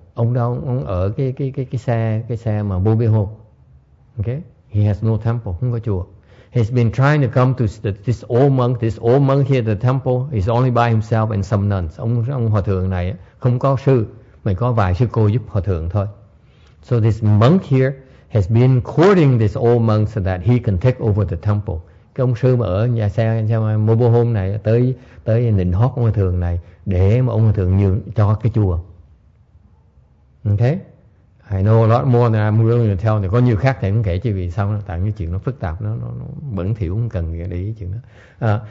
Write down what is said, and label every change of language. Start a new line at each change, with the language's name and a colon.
Vietnamese: Ông ở cái xe mà mobile home.
English: Okay? He has no temple,
Vietnamese: không có chùa.
English: He's been trying to come to this old monk here at the temple. He's only by himself and some nuns.
Vietnamese: Ông hòa thượng này không có sư, mà có vài sư cô giúp hòa thượng thôi.
English: So this monk here has been courting this old monk so that he can take over the temple.
Vietnamese: Cái ông sư mà ở nhà xe mobile home này tới nịnh hót ông hòa thượng này để mà ông hòa thượng nhường cho cái chùa.
English: Okay, I know a lot more than I'm willing to tell.
Vietnamese: Có nhiều khác thì cũng kể chứ vì sao nó tặng cái chuyện nó phức tạp, nó bẩn thỉu, không cần để ý chuyện đó.